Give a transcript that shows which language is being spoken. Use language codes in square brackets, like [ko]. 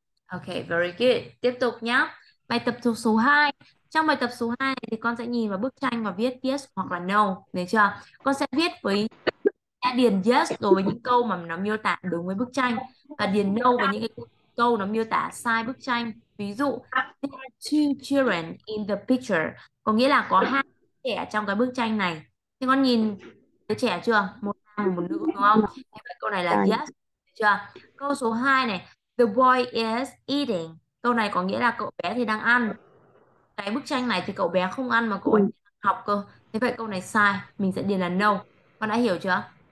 [en] Okay, very good. [vi] Tiếp tục nhá. Bài tập thuộc số 2. Trong bài tập số 2 này thì con sẽ nhìn vào bức tranh và viết yes hoặc là no, được chưa? Con sẽ viết với đã điền yes đối với những câu mà nó miêu tả đúng với bức tranh và điền no với những cái câu nó miêu tả sai bức tranh. Ví dụ, [en] there are two children in the picture. [vi] Có nghĩa là có hai trẻ trong cái bức tranh này. Thế con nhìn đứa trẻ chưa? Một nam và một nữ đúng không? Thế vậy câu này là yes, được chưa? Câu số 2 này, [en] the boy is eating. [vi] Câu này có nghĩa là cậu bé thì đang ăn. Cái bức tranh này thì cậu bé không ăn mà cậu ấy học cơ. Thế vậy câu này sai, mình sẽ điền là no. Con đã hiểu chưa?